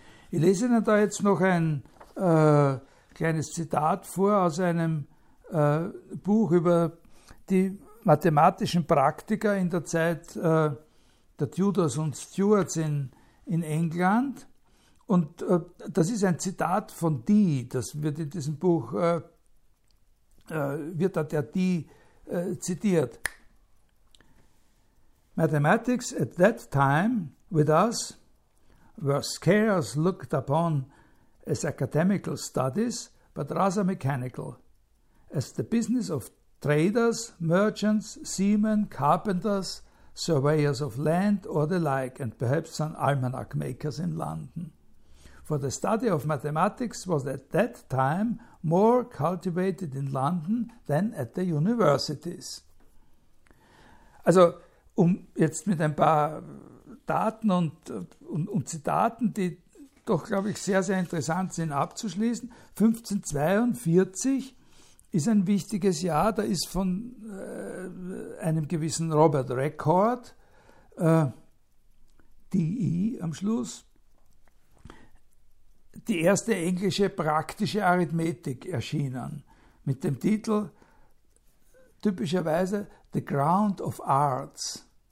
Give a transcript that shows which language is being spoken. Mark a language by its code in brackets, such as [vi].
[de] Ich lese Ihnen da jetzt noch ein kleines Zitat vor aus einem Buch über die mathematischen Praktiker in der Zeit der Tudors und Stuarts in England. Und das ist ein Zitat von Dee, das wird in diesem Buch, wird da der Dee zitiert. [en] Mathematics at that time with us were scarce looked upon as academical studies, but rather mechanical, as the business of traders, merchants, seamen, carpenters, surveyors of land or the like, and perhaps some almanac makers in London. For the study of mathematics was at that time more cultivated in London than at the universities. [de] Also, um jetzt mit ein paar Daten und Zitaten, die doch, glaube ich, sehr, sehr interessant sind, abzuschließen. 1542 ist ein wichtiges Jahr. Da ist von einem gewissen Robert Record, DE am Schluss, die erste englische praktische Arithmetik erschienen mit dem Titel typischerweise The Ground of Arts.